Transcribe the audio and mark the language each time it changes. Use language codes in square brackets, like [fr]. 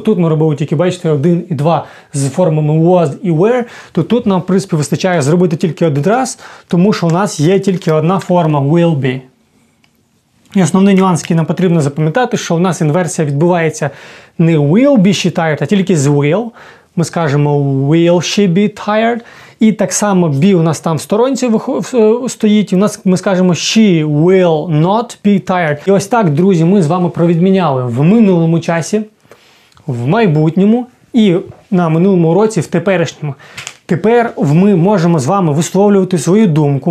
[uk] Тут ми робили тільки, бачите, один і два з формами was і were. То тут нам, в принципі, вистачає зробити тільки один раз, тому що у нас є тільки одна форма will be. І основний нюанс, який нам потрібно запам'ятати, що у нас інверсія відбувається не [en] will be she tired, [uk] а тільки з will. Ми скажемо [en] will she be tired. [uk] І так само be у нас там в сторонці стоїть. І у нас ми скажемо [en] she will not be tired. [uk] І ось так, друзі, ми з вами провідміняли в минулому часі, в майбутньому і на минулому році, в теперішньому. Тепер ми можемо з вами висловлювати свою думку.